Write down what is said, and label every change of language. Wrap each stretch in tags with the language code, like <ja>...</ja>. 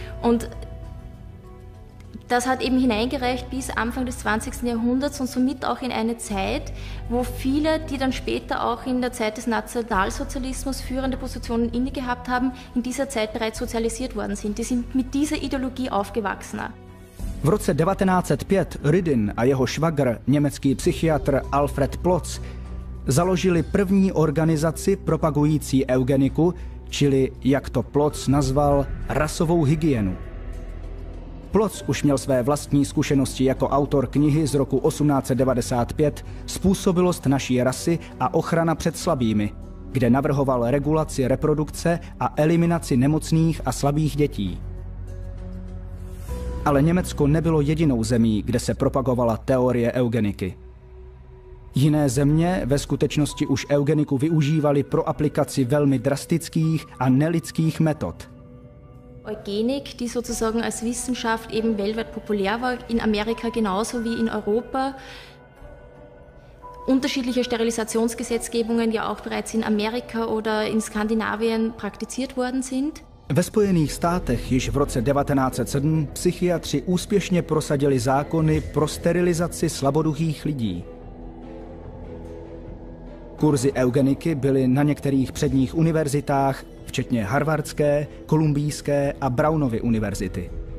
<de>Und das hat eben hineingereicht bis Anfang des 20. Jahrhunderts und somit auch in eine Zeit, wo viele, die dann später auch in der Zeit des Nationalsozialismus führende Positionen inne gehabt haben, in dieser Zeit bereits sozialisiert worden sind. Die sind mit dieser Ideologie aufgewachsen.</de> <cs>V roce 1905 Rüdin a jeho švagr, německý psychiatr Alfred Plotz, založili první organizaci propagující eugeniku, čili, jak to Plotz nazval, rasovou hygienu. Plotz už měl své vlastní zkušenosti jako autor knihy z roku 1895 Způsobilost naší rasy a ochrana před slabými, kde navrhoval regulaci reprodukce a eliminaci nemocných a slabých dětí. Ale Německo nebylo jedinou zemí, kde se propagovala teorie eugeniky. Jiné země ve skutečnosti už eugeniku využívaly pro aplikaci velmi drastických a nelidských metod.</cs> <de>Eugenik, die sozusagen als Wissenschaft eben weltweit populär war, in Amerika genauso wie in Europa. Unterschiedliche Sterilisationsgesetzgebungen ja auch bereits in Amerika oder in Skandinavien praktiziert worden sind.</de> <cs>Ve Spojených státech již v roce 1907 psychiatři úspěšně prosadili zákony pro sterilizaci slaboduchých lidí. Kurzy eugeniky byly na některých předních univerzitách, včetně Harvardské, Kolumbijské a Brownovy univerzity.</cs>